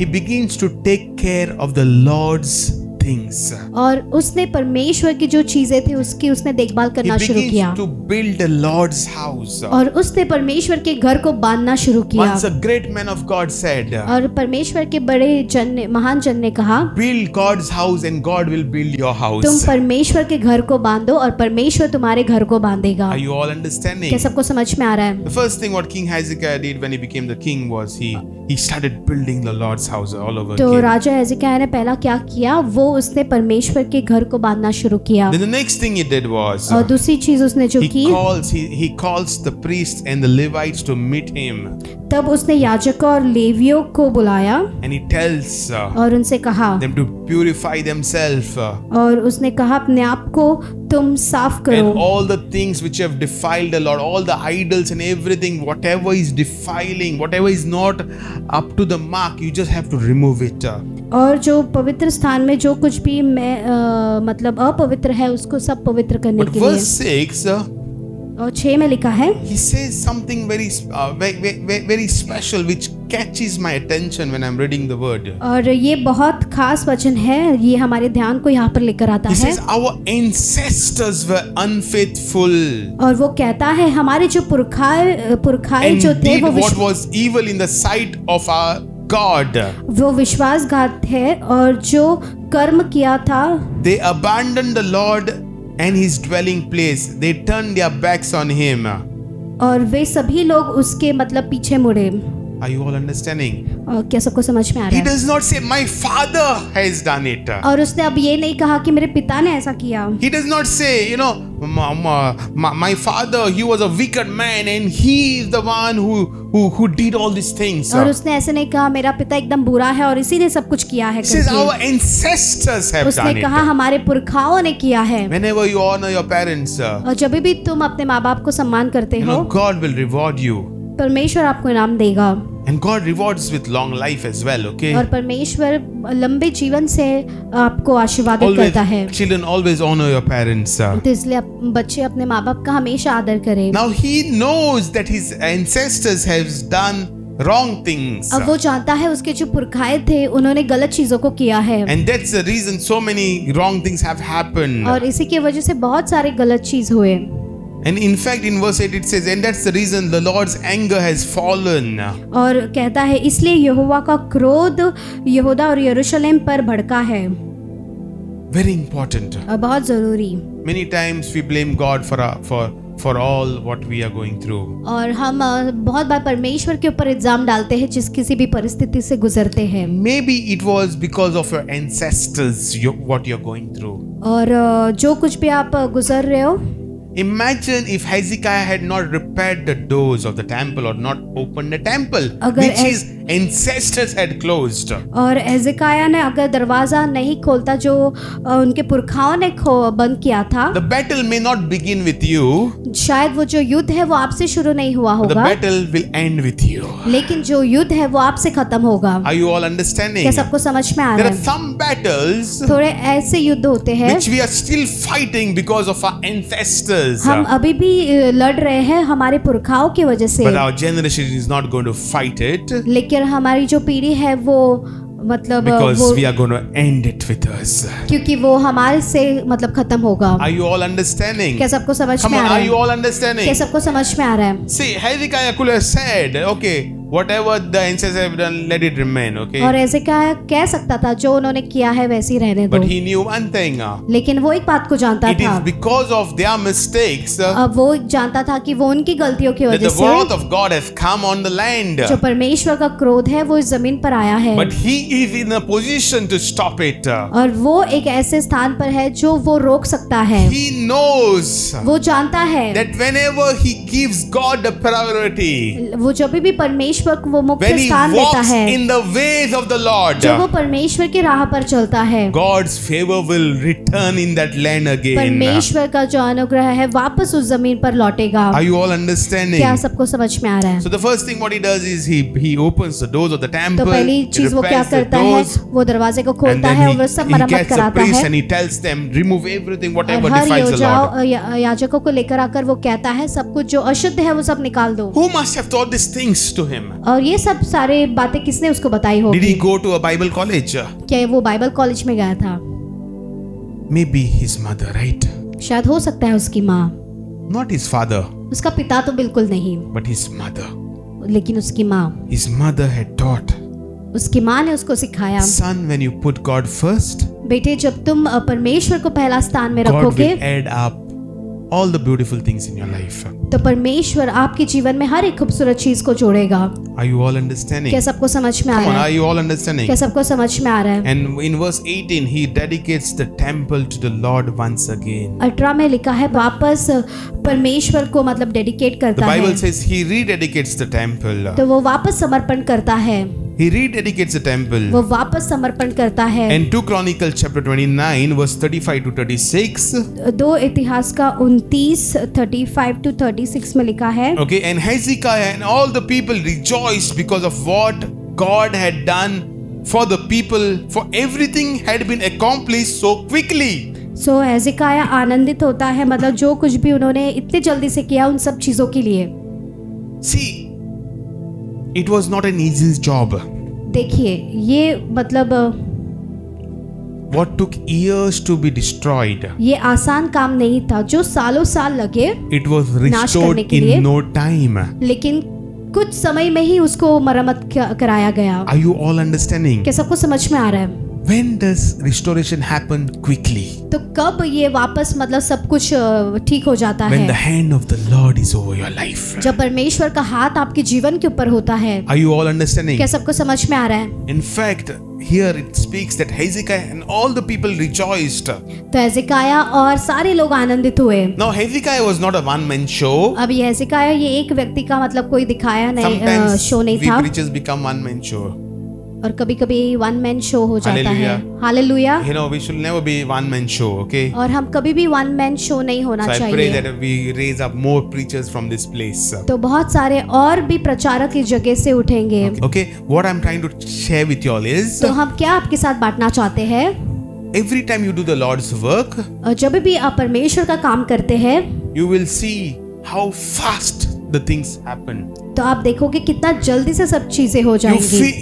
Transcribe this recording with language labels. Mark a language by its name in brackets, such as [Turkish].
[English] He begins to take care of the Lord's things. [Hindi] और उसने परमेश्वर की जो चीजें थी उसकी उसने देखभाल करना शुरू किया [English] He begins to build the Lord's house. [Hindi] और उसने परमेश्वर के घर को बांधना शुरू किया [English] Once a great man of God said, [Hindi] और परमेश्वर के बड़े जन ने महान जन ने कहा [English] build God's house and God will build your house. [Hindi] तुम परमेश्वर के घर को बांधो और परमेश्वर तुम्हारे घर को बांधेगा [English] Are you all understanding? [Hindi] क्या सबको समझ में आ रहा है [English] The first thing what King Hezekiah did when he became the king was he started building the Lord's house all over again. [Hindi] तो राजा हेजकिया ने पहला क्या किया वो उसने परमेश्वर के घर को बांधना शुरू किया [English] Then the next thing he did was, [Hindi] और दूसरी चीज उसने जो की [English] he calls the priests and the Levites to meet him. [Hindi] तब उसने याजकों और लेवियों को बुलाया [English] and he tells, [Hindi] और उनसे कहा [English] them to purify themselves, [Hindi] और उसने कहा अपने आप को तुम साफ करो [English] and all the things which have defiled the Lord all the idols and everything whatever is defiling whatever is not up to the mark you just have to remove it [Hindi] और जो पवित्र स्थान में जो कुछ भी मैं मतलब अपवित्र है उसको सब पवित्र करने [English] But [Hindi] के [English] verse [Hindi] लिए [English] six, [Hindi] और छे में लिखा है [English] He says something very very special which catches my attention when I'm reading the word [Hindi] और ये बहुत खास वचन है ये हमारे ध्यान को यहाँ पर लेकर आता [English] है Our ancestors were unfaithful [Hindi] और वो कहता है हमारे जो पुरखाए जो थे [English] वो what was evil in the sight of our God [Hindi] वो विश्वासघात है और जो कर्म किया था [English] They abandoned the Lord and his dwelling place they turned their backs on him [Hindi] और वे सभी लोग उसके मतलब पीछे मुड़े [English] Are you all understanding? [Hindi] क्या सबको समझ में आ रहा [English] है? He does not say my father has done it. [Hindi] और उसने अब ये नहीं कहा कि मेरे पिता ने ऐसा किया. [English] He does not say, you know, my father, he was a wicked man and he is the one who did all these things. [Hindi] और उसने ऐसे नहीं कहा मेरा पिता एकदम बुरा है और इसी ने सब कुछ किया है. [English] He says our ancestors have done it. [Hindi] उसने कहा हमारे पुरखाओं ने किया है. [English] Whenever you honor your parents. [Hindi] और जब भी तुम अपने माँबाप को सम्मान करते हो. [English] God will reward you. [Hindi] परमेश्वर आपको इनाम देगा. [English] And God rewards with long life as well, okay? [Hindi] और परमेश्वर लंबे जीवन से आपको आशीर्वाद करता है. [English] Children always honor your parents. [Hindi] इसलिए बच्चे अपने माँबाप का हमेशा आदर करें. [English] Now he knows that his ancestors have done wrong things. [Hindi] अब वो जानता है उसके जो पुरखाए थे उन्होंने गलत चीजों को किया है. [English] And that's the reason so many wrong things have happened. [Hindi] और इसी के वजह से बहुत सारे गलत चीज हुए. [English] And in fact, in verse 8 it says, and that's the reason the Lord's anger has fallen. [Hindi] और कहता है इसलिए यहोवा का क्रोध यहूदा और यरूशलेम पर भड़का है. [English] Very important. [Hindi] बहुत जरूरी. [English] Many times we blame God for all what we are going through. [Hindi] और हम बहुत बार परमेश्वर के ऊपर इल्जाम डालते हैं जिस किसी भी परिस्थिति से गुजरते हैं. [English] Maybe it was because of your ancestors what you're going through. [Hindi] और जो कुछ भी आप गुजर रहे हो. [English] Imagine if Hezekiah had not repaired the doors of the temple or not opened the temple which his ancestors had closed. [Hindi] और हेजकिया ने अगर दरवाजा नहीं खोलता जो उनके पुरखाओं ने बंद किया था. [English] The battle may not begin with you. [Hindi] शायद वो जो युद्ध है वो आपसे शुरू नहीं हुआ होगा. [English] The battle will end with you. [Hindi] लेकिन जो युद्ध है वो आपसे खत्म होगा. [English] Are you all understanding? [Hindi] क्या सबको समझ में आ रहा [English] है? There are some battles. [Hindi] थोड़े ऐसे युद्ध होते हैं. [English] Which we are still fighting because of our ancestors. [Hindi] हम अभी भी लड़ रहे हैं हमारे पुरखाओं की वजह से. [English] But our generation is not going to fight it. [Hindi] लेकिन हमारी जो पीढ़ी है वो मतलब [English] because we are going to end it with us. [Hindi] क्योंकि वो हमारे से मतलब खत्म होगा. [English] Are you all understanding? [Hindi] क्या सबको समझ में आ [English] रहा है? Are you all understanding? [Hindi] क्या सबको समझ में आ रहा है? [English] See, Hezekiah could have said, okay, whatever the ancestors have done, let it remain, okay? [Hindi] और हेजकिया कह सकता था जो उन्होंने किया है वैसे ही रहने दो. [English] But he knew one thing. [Hindi] लेकिन वो एक बात को जानता था. [English] It is because of their mistakes. [Hindi] अब वो जानता था कि वो उनकी गलतियों की वजह से. [English] That the wrath of God has come on the land. [Hindi] जो परमेश्वर का क्रोध है वो इस जमीन पर आया है. [English] But he is in a position to stop it. [Hindi] और वो एक ऐसे स्थान पर है जो वो रोक सकता है. [English] He knows. [Hindi] वो जानता है. [English] That whenever he gives God the priority. [Hindi] वो जब भी परमेश्वर वो मुख्य स्थान लेता है [English] in the ways of the Lord, [Hindi] जो वो परमेश्वर की राह पर चलता है. [English] God's favor will return in that land again. [Hindi] परमेश्वर का जो अनुग्रह है वापस उस जमीन पर लौटेगा. [English] Are you all understanding? [Hindi] क्या सबको समझ में आ रहा है? [English] So the first thing what he does is he opens the doors of the temple. [Hindi] तो पहली चीज वो क्या करता है? वो दरवाजे को खोलता है और सब मरम्मत कराता है. [English] He gets the priest and he tells them remove everything whatever defiles the Lord. [Hindi] याजकों को लेकर आकर वो कहता है सब कुछ जो अशुद्ध है वो सब निकाल दो. [English] Who must have taught these things to him? [Hindi] और ये सब सारे बातें किसने उसको बताई होगी? [English] Did he go to a Bible college? [Hindi] क्या वो बाइबल कॉलेज में गया था? [English] Maybe his mother, right? [Hindi] शायद हो सकता है उसकी माँ. [English] Not his father. [Hindi] उसका पिता तो बिल्कुल नहीं. [English] But his mother. [Hindi] लेकिन उसकी माँ. [English] His mother had taught. [Hindi] उसकी माँ ने उसको सिखाया. [English] Son, when you put God first. [Hindi] बेटे, जब तुम परमेश्वर को पहला स्थान में रखोगे. [English] God will add up all the beautiful things in your life. [Hindi] तो परमेश्वर आपके जीवन में हर एक खूबसूरत चीज को जोड़ेगा. [English] Are you all understanding? [Hindi] क्या सबको समझ में आ रहा है? [English] Are you all understanding? [Hindi] क्या सबको समझ में आ रहा है? [English] And in verse 18 he dedicates the temple to the Lord once again. [Hindi] 18 में लिखा है वापस परमेश्वर को मतलब डेडिकेट करता है. [English] The Bible says he rededicates the temple. [Hindi] तो वो वापस समर्पण करता है. [English] He rededicates the temple. [Hindi] वो वापस समर्पण करता है. [English] And 2 Chronicles chapter 29 verse 35 to 36. [Hindi] दो इतिहास का 29 35 to 36 में लिखा है. [English] Okay, and Hezekiah and all the people rejoiced because of what God had done for the people, for everything had been accomplished so quickly. [Hindi] So Hezekiah आनंदित होता है मतलब जो कुछ भी उन्होंने इतने जल्दी से किया उन सब चीजों के लिए. [English] See, it was not an easy job. [Hindi] देखिए, ये मतलब [English] what took years to be destroyed. [Hindi] ये आसान काम नहीं था जो सालों साल लगे. [English] It was restored in no time. [Hindi] लेकिन कुछ समय में ही उसको मरम्मत कराया गया. [English] Are you all understanding? [Hindi] क्या सबको समझ में आ रहा है? [English] When does restoration happen quickly? [Hindi] तो कब ये वापस मतलब सब कुछ ठीक हो जाता [English] है? When the hand of the Lord is over your life. [Hindi] जब परमेश्वर का हाथ आपके जीवन के ऊपर होता है. [English] Are you all understanding? [Hindi] क्या सबको समझ में आ रहा है? [English] In fact, here it speaks that Hezekiah and all the people rejoiced. [Hindi] तो हेजेकिया और सारे लोग आनंदित हुए. [English] Now Hezekiah was not a one-man show. [Hindi] अब ये हेजेकिया ये एक व्यक्ति का मतलब कोई दिखाया नहीं शो नहीं था. [English] Sometimes we preachers become one-man show. [Hindi] और कभी कभी वन मैन शो हो [English] Hallelujah. [Hindi] जाता है [English] Hallelujah. [Hindi] और हम कभी भी वन मैन शो नहीं होना [English] so [Hindi] चाहिए [English] I pray that we raise up more preachers from this place. [Hindi] तो बहुत सारे और भी प्रचारक इस जगह से उठेंगे [English] okay. What I'm trying to share with you all is, [Hindi] तो हम क्या आपके साथ बांटना चाहते हैं [English] Every time you do the Lord's work, [Hindi] जब भी आप परमेश्वर का काम करते हैं [English] you will see how fast the things happen. [Hindi] तो आप देखोगे कितना जल्दी से सब चीजें हो जाएंगी.